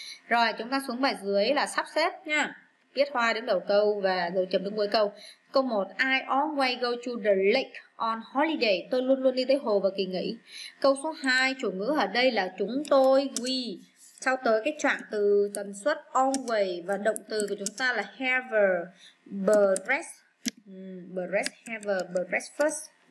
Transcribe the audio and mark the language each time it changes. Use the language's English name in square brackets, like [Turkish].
[Vietnamese] Rồi chúng ta xuống bài dưới là sắp xếp nha. Viết hoa đứng đầu câu và dấu chấm đứng cuối câu. Câu 1, [English] I always go to the lake on holiday. [Vietnamese] Tôi luôn luôn đi tới hồ vào kỳ nghỉ. Câu số 2, chủ ngữ ở đây là chúng tôi, we. Sau tới cái trạng từ tần suất always và động từ của chúng ta là have, breakfast, have, breakfast.